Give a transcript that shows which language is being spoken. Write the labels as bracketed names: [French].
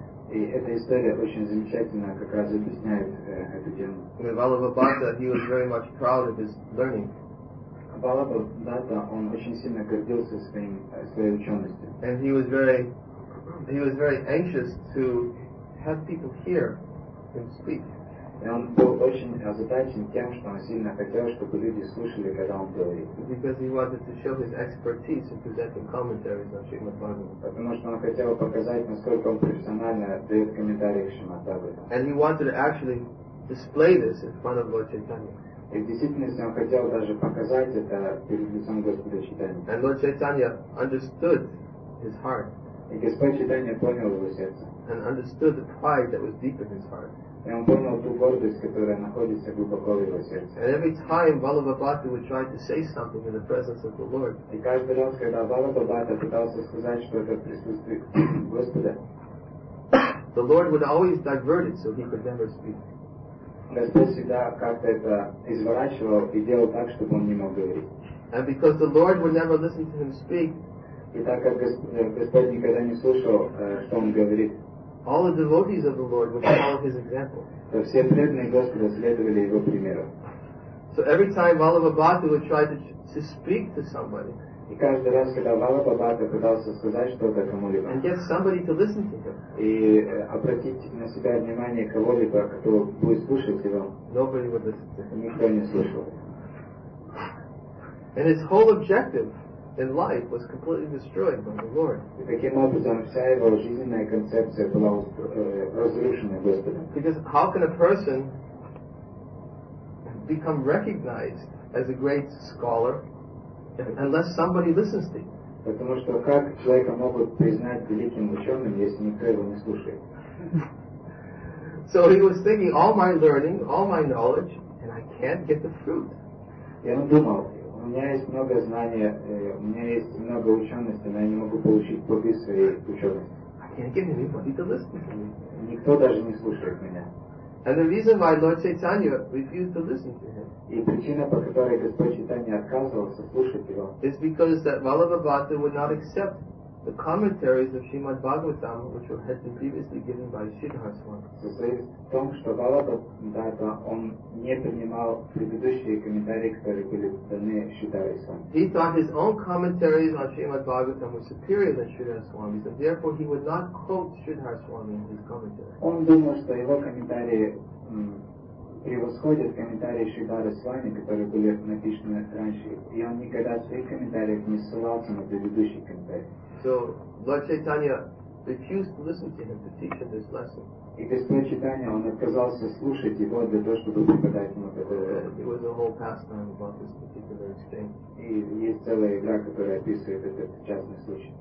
[Russian] И эта история очень замечательно как раз объясняет эту тему. [English] Валлабхадатта, he was very much proud of his learning. [Russian] Валлабхадатта, он очень сильно гордился своей ученостью. [English] And he was very anxious to have people hear him speak. [Russian] И он был очень озадачен тем, что он сильно хотел, чтобы люди слушали, когда он говорит. [English] Because he wanted to show his expertise in presenting commentaries on Srimad Bhagavatam. [Russian] Потому что он хотел показать, насколько он профессионально дает комментарии к Шримад Бхагаватам. [English] And he wanted to actually display this in front of Lord Chaitanya. [Russian] И в действительности он хотел даже показать это перед лицом Господа Чайтаньи. [English] And Lord Chaitanya understood his heart. [Russian] И Господь Чайтанья понял его сердце. [English] And understood the pride that was deep in his heart. [Russian] И он понял ту гордость, которая находится глубоко в его сердце. [English] And every time Валлабхадатта would try to say something in the presence of the Lord, [Russian] и каждый раз, когда Валлабхадатта пытался сказать что-то в присутствии Господа, [English] the Lord would always divert it so he could never speak. [Russian] Господь всегда как-то это изворачивал и делал так, чтобы он не мог говорить. [English] And because the Lord would never listen to him speak, [Russian] и так как Господь никогда не слушал, что он говорит, [English] all the devotees of the Lord would follow his example. [Russian] То все преданные Господа следовали его примеру. [English] So every time Валлабхадатта would try to speak to somebody, [Russian] и каждый раз, когда Валлабхадатта пытался сказать что-то кому-либо, [English] and get somebody to listen to him, [Russian] и обратить на себя внимание кого-либо, кто будет слушать его, [English] nobody would listen to him. [Russian] Никто не слушал. [English] And his whole objective in life was completely destroyed by the Lord. [Russian] Таким образом, вся его жизненная концепция была разрушена Господом. [English] Because how can a person become recognized as a great scholar unless somebody listens to him? [Russian] Потому что как человека могут признать великим ученым, если никто его не слушает? [English] So he was thinking, all my learning, all my knowledge, and I can't get the fruit. [Russian] И он думал, у меня есть много знания, у меня есть много учености, но я не могу получить плоды своей учености. Никто даже не слушает меня. [English] And the reason why Lord Chaitanya refused to listen to him, [Russian] и причина, по которой Господь Чайтанья отказывался слушать его, [English] is because that Valabhavata would not accept the commentaries of Srimad Bhagavatam, which had been previously given by Sridhar Swami. [Russian] Состоит в том, что Валлабхадатта, он не принимал предыдущие комментарии, которые были даны Сридхар Свами. [English] He thought his own commentaries on Srimad Bhagavatam were superior than Sridhar Swami's, and therefore he would not quote Sridhar Swami in his commentaries. [Russian] Он думал, что его комментарии превосходят комментарии Сридхара Свами, которые были написаны раньше, и он никогда в своих комментариях не ссылался на предыдущие комментарии. [English] So Lord Chaitanya refused to listen to him to teach him this lesson. [Russian] И Господь Чайтанья, он отказался слушать его для того, чтобы преподать ему этот урок. [English] It was a whole pastime about this particular exchange. [Russian] И есть целая игра, которая описывает этот частный случай.